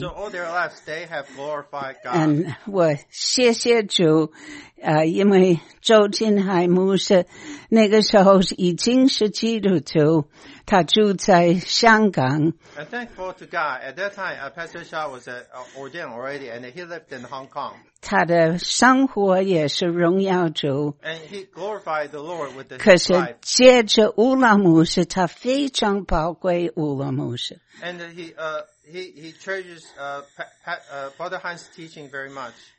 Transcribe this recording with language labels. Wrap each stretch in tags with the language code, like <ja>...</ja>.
<en>So all their lives, they have glorified God.</en> <zh>And 我谢谢主, 因为周金海牧师那个时候已经是基督徒, 他住在香港。</zh> <en>I'm thankful to God. At that time, Pastor Chow was ordained already, and he lived in Hong Kong.</en> <zh>他的生活也是荣耀主。</zh> <en>And he glorified the Lord with his</en> <zh>可是借着乌拉牧师, 他非常宝贵乌拉牧师。</zh> <en>And he treasures Brother Hans' teaching very much.</en>